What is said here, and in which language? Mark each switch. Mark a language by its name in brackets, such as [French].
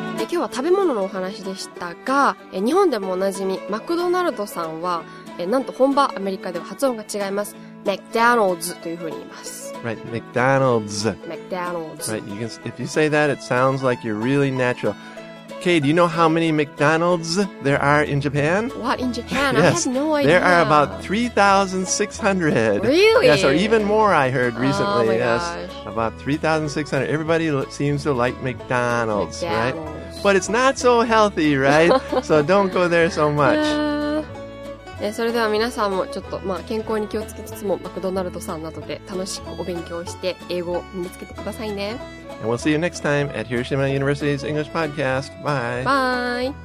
[Japanese] 今日は食べ物のお話でしたが、日本でもおなじみマクドナルドさんは、なんと本場アメリカでは発音が違います。 McDonald's というふうに言います。 [English] Right, McDonald's. McDonald's. Right, you can, if you say that, it sounds like you're really natural. Kay, do you know how many McDonald's there are in Japan? What, in Japan? Yes, I have no idea. There are about 3,600. Really? Yes, or even more I heard recently. Oh my yes, gosh. About 3,600. Everybody seems to like McDonald's, McDonald's, right? But it's not so healthy, right? So don't go there so much. [Japanese] それでは皆さんもちょっと、まあ、健康に気をつけつつもマクドナルドさんなどで楽しくお勉強して英語を身につけてくださいね。 [English] And we'll see you next time at Hiroshima University's English Podcast. Bye.